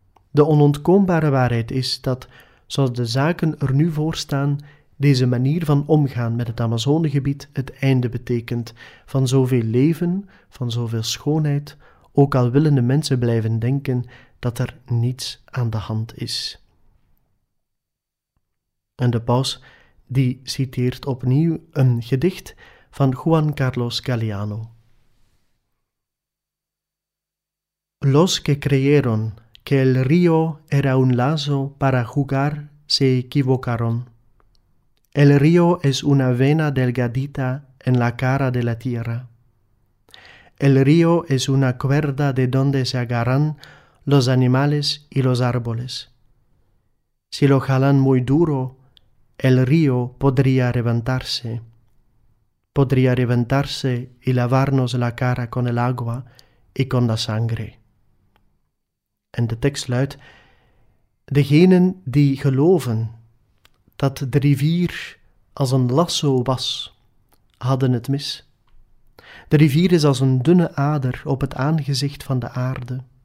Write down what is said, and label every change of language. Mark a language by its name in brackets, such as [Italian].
[Dutch] De onontkoombare waarheid is dat, zoals de zaken er nu voor staan, deze manier van omgaan met het Amazonegebied het einde betekent van zoveel leven, van zoveel schoonheid, ook al willen de mensen blijven denken dat er niets aan de hand is. En de paus die citeert opnieuw een gedicht van Juan Carlos Galeano. [Spanish] Los que creyeron que el río era un lazo para jugar se equivocaron. El río es una vena delgadita en la cara de la tierra. El río es una cuerda de donde se agarran los animales y los árboles. Si lo jalan muy duro, el río podría reventarse. Podría reventarse y lavarnos la cara con el agua y con la sangre. [Dutch] En de tekst luidt: degenen die geloven dat de rivier als een lasso was, hadden het mis. De rivier is als een dunne ader op het aangezicht van de aarde.